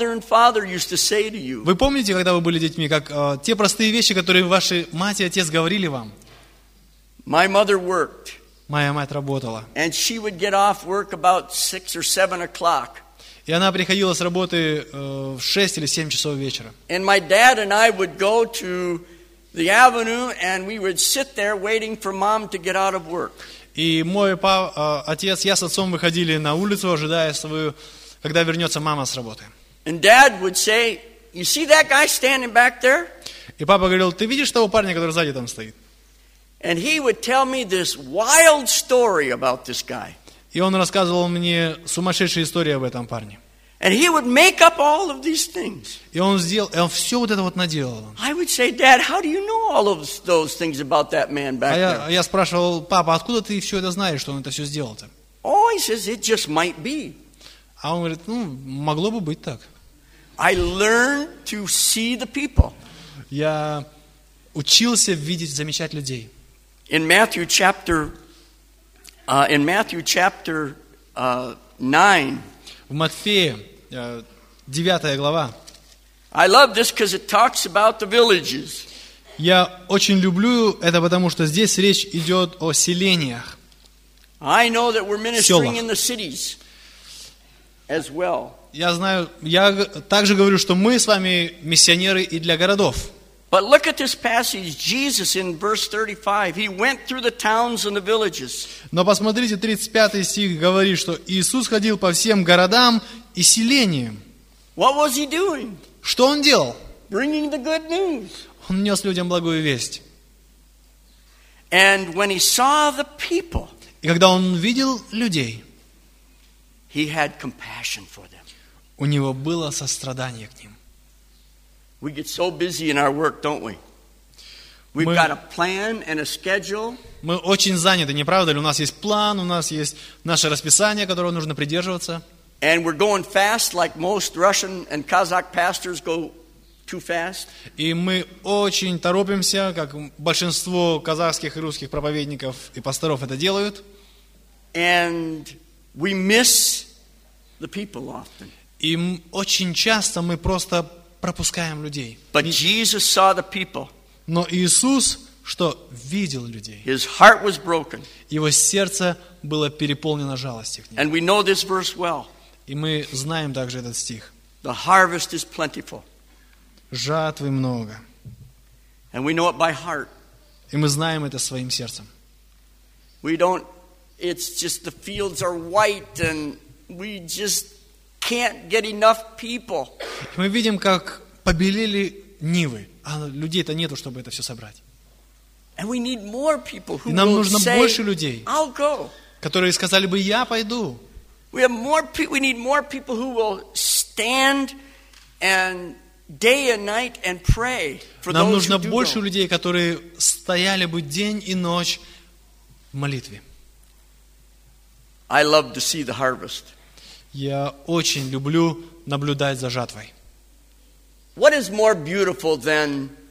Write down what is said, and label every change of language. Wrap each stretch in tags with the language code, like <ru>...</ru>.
<ru>Вы помните, когда вы были детьми, как те простые вещи, которые ваши мать и отец говорили вам?</ru> <en>My mother worked.</en> <ru>Моя мать работала.</ru> <en>And she would get off work about 6 or 7 o'clock.</en> <ru>И она приходила с работы в 6 или 7 часов вечера.</ru> <en>And my dad and I would go to the avenue and we would sit there waiting for mom to get out of work.</en> <ru>И мой отец, я с отцом выходили на улицу, ожидая свою, когда вернется мама с работы.</ru> <en>And dad would say, "You see that guy standing back there?"</en> <ru>И папа говорил, ты видишь того парня, который сзади там стоит?</ru> <en>And he would tell me this wild story about this guy.</en> <ru>И он рассказывал мне сумасшедшие истории об этом парне.</ru> <en>And he would make up all of these things.</en> <ru>И он сделал, и он все вот это вот наделал.</ru> <en>I would say, "Dad, how do you know all of those things about that man back there?"</en> <ru>А я спрашивал, папа, откуда ты все это знаешь, что он это все сделал-то?</ru> <en>Oh, he says, "It just might be."</en> <ru>А он говорит, ну, могло бы быть так.</ru> <en>I learned to see the people.</en> <ru>Я учился видеть, замечать людей.</ru> <en>In Matthew chapter, nine.</en> <ru>В Матфея, 9 глава.</ru> <en>I love this because it talks about the villages.</en> <ru>Я очень люблю это, потому что здесь речь идет о селениях.</ru> <en>I know that we're ministering in the cities as well.</en> <ru>Я знаю, я также говорю, что мы с вами миссионеры и для городов.</ru> <en>But look at this passage, Jesus in verse 35, he went through the towns and the villages.</en> <ru>Но посмотрите, 35 стих говорит, что Иисус ходил по всем городам и селениям.</ru> <en>What was he doing?</en> <ru>Что он делал?</ru> <en>Bringing the good news.</en> <ru>Он нес людям благую весть.</ru> <en>And when he saw the people,</en> <ru>и когда он видел людей,</ru> <en>he had compassion for them.</en> <ru>У него было сострадание к ним.</ru> <en>We get so busy in our work, don't we? We've got a plan and a schedule.</en> <ru>Мы очень заняты, не правда ли? У нас есть план, у нас есть наше расписание, которого нужно придерживаться.</ru> <en>And we're going fast, like most Russian and Kazakh pastors go too fast.</en> <ru>И мы очень торопимся, как большинство казахских и русских проповедников и пасторов это делают.</ru> <en>And we miss the people often.</en> <ru>И очень часто мы просто пропускаем людей.</ru> <en>But Jesus saw the people.</en> <ru>Но Иисус что видел людей.</ru> <en>His heart was broken.</en> <ru>Его сердце было переполнено жалостью к ним.</ru> <en>And we know this verse well.</en> <ru>И мы знаем также этот стих.</ru> <en>The harvest is plentiful.</en> <ru>Жатвы много.</ru> <en>And we know it by heart.</en> <ru>И мы знаем это своим сердцем.</ru> <en>We don't, it's just the fields are white and we just can't get enough people.</en> <ru>И мы видим, как побелели нивы, а людей-то нету, чтобы это все собрать.</ru> <en>And we need more people who will say,</en> <ru>И нам нужно больше людей,</ru> <en>I'll go.</en> <ru>Которые сказали бы, я пойду.</ru> <en>We have more people, we need more people who will stand and day and night and pray for those</en> <ru>Нам нужно больше людей, которые стояли бы день и ночь в молитве.</ru> <en>I love to see the harvest.</en> <ru>Я очень люблю наблюдать за жатвой.</ru> <en>What is more beautiful than...</en>